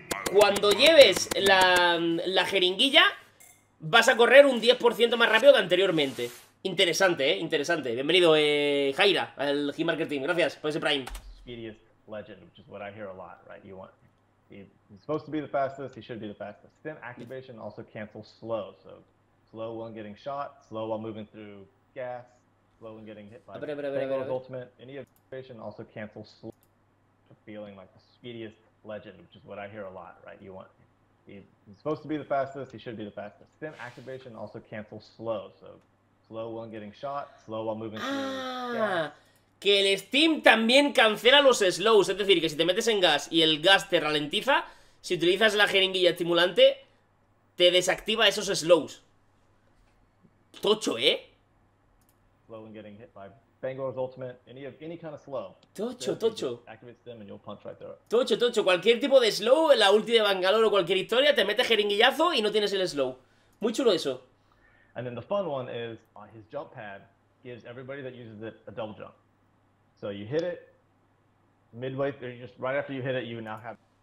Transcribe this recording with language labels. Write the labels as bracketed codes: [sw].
[es] Cuando lleves la jeringuilla, vas a correr un 10% más rápido que anteriormente. Interesante, ¿eh? Interesante. Bienvenido, Jaira, al G-Marker Team. Gracias por ese Prime. [en] Speediest legend, which is what I hear a lot, right? You want, he's supposed to be the fastest, he should be the fastest. Stim activation also cancels slow, so slow while getting shot, slow while moving through gas, slow while getting hit by Tangle's ultimate. Any activation also cancels slow, feeling like the speediest legend, which is what I hear a lot, right? You want, he's supposed to be the fastest, he should be the fastest. Stim activation also cancels slow, so slow while getting shot, slow while moving through. [es] Ah, que el Stim también cancela los slows, es decir, que si te metes en gas y el gas te ralentiza, si utilizas la jeringuilla estimulante, te desactiva esos slows. Tocho, ¿eh? [en] Slow while getting hit by Bangalore's ultimate, any kind of slow. [es] Tocho, tocho. [en] Activates them and you'll punch right there. [es] Tocho, tocho. Cualquier tipo de slow, la ulti de Bangalore o cualquier historia, te metes jeringuillazo y no tienes el slow. Muy chulo eso. [en] And then the fun one is his jump pad gives everybody that uses it a double jump. So you hit it midway through, just right after you hit it, you now have.